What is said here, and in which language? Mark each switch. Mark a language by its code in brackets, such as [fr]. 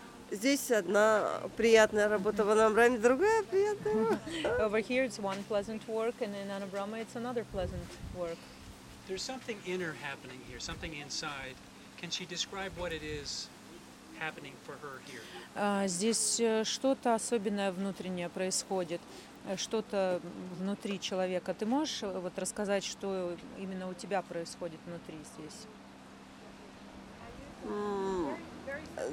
[ru] Здесь одна приятная работа в Анабраме, другая приятная. [en] Over here it's one pleasant work, and in Анабрама it's another pleasant work. There's something inner happening here, something inside. Can she describe what it is happening for her here? [ru] Здесь что-то особенное внутреннее происходит. Что-то внутри человека. Ты можешь вот рассказать, что именно у тебя происходит внутри здесь?